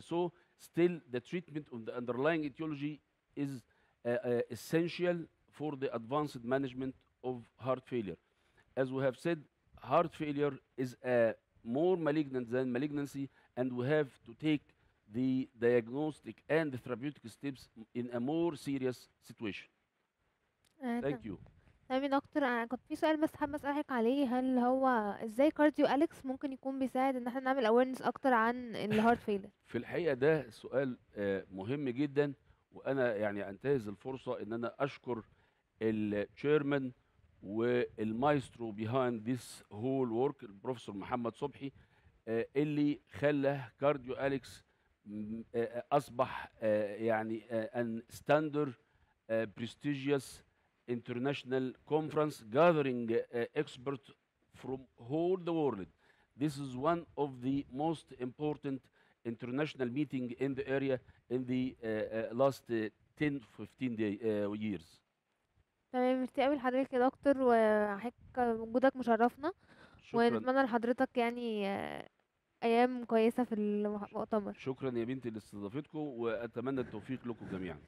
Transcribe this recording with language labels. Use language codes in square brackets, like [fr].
[en] So still the treatment of the underlying etiology is essential for the advanced management of heart failure. As we have said, heart failure is more malignant than malignancy, and we have to take the diagnostic and the therapeutic steps in a more serious situation. Thank you. [ar] تمام يا دكتور. انا كنت في سؤال بس حابه اسالك عليه, هل هو ازاي كارديو اليكس ممكن يكون بيساعد ان احنا نعمل اويرنس اكتر عن الهارت فيلر؟ في الحقيقه ده سؤال مهم جدا, وانا يعني انتهز الفرصه ان انا اشكر التشيرمان والمايسترو [en] behind this whole work [ar] البروفيسور محمد صبحي, اللي خلى كارديو اليكس اصبح يعني ان ستاندر بريستيجيوس [en] international conference gathering experts from whole the world. This is one of the most important international meeting in the area in the last 10-15 years. [ar] تمام, مرتي قوي لحضرتك يا دكتور, وحك وجودك مشرفنا, ونتمنى لحضرتك يعني ايام كويسه في المؤتمر. شكرا يا بنتي لاستضافتكم, واتمنى التوفيق لكم جميعا.